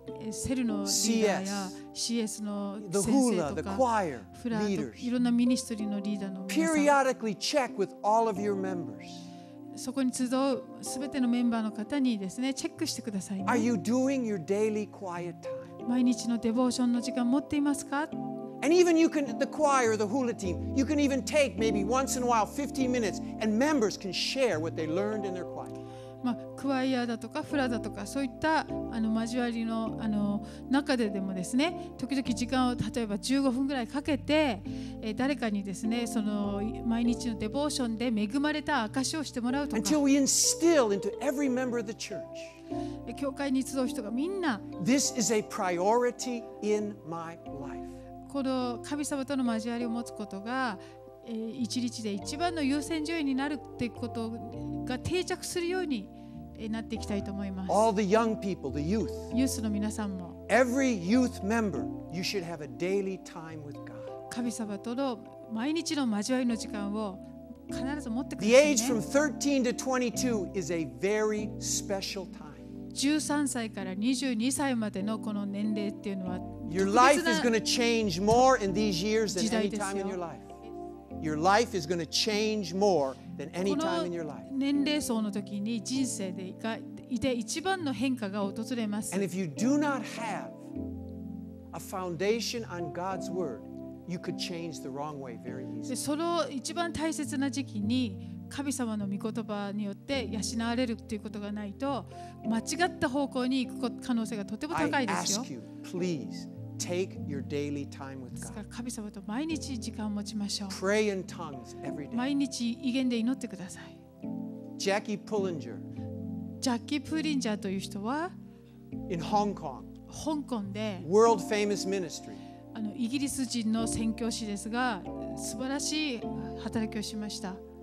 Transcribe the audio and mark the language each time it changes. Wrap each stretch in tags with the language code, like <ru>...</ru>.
<ja>セルのリーダーや CS の先生とか、フラーといろんなミニストリーのリーダーの皆さん。</ja> <en>Periodically check with all of your members.</en> <ja>そこに集うすべてのメンバーの方にですね、チェックしてください、ね。</ja> <en>Are you doing your daily quiet time?</en> <ja>毎日のデボーションの時間持っていますか？</ja> <en>And even you can, the choir, the hula team, you can even take maybe once in a while 15 minutes and members can share what they learned in their quiet.</en> <ja>まあ、クワイアだとかフラだとかそういったあの交わり の, あの中ででもですね、時々時間を例えば15分ぐらいかけて、誰かにですね、その毎日のデボーションで恵まれた証をしてもらうとか、</ja> <en>Until we instill into every member of the church,</en> <ja>教会に集う人がみんな、</ja> <en>This is a priority in my life.</en> <ja>この神様との交わりを持つことが、一日で一番の優先順位になるということが定着するようになっていきたいと思います。</ja> <en>All the young people, the youth,</en> <ja>ユースの皆さんも、</ja> <en>Every youth member, you should have a daily time with God.</en> <ja>神様との毎日の交わりの時間を必ず持ってくださいね。</ja> <en>The age from 13 to 22 is a very special time.</en> <ja>13歳から22歳までのこの年齢っていうのは、</ja> <en>Your life is going to change more in these years than any time in your life. Your life is going to change more than any time in your life.</en> <ja>この年齢層の時に人生でいて一番の変化が訪れます。</ja> <en>And if you do not have a foundation on God's word,You could change the wrong way very easily.</en> <ja>でその一番大切な時期に神様の御言葉によって養われるということがないと間違った方向に行く可能性がとても高いですよ。</ja> <en>I ask you, please take your daily time with God.</en> <ja>ですから神様と毎日時間を持ちましょう。</ja> <en>Pray in tongues every day.</en> <ja>毎日異言で祈ってください。</ja> <en>Jackie Pullinger.</en> <ja>ジャッキー・プリンジャーという人は</ja> <en>In Hong Kong.</en> <ja>香港で</ja> <en>World famous ministry.</en> <ja>あのイギリス人の宣教師ですが素晴らしい働きをしました。</ja>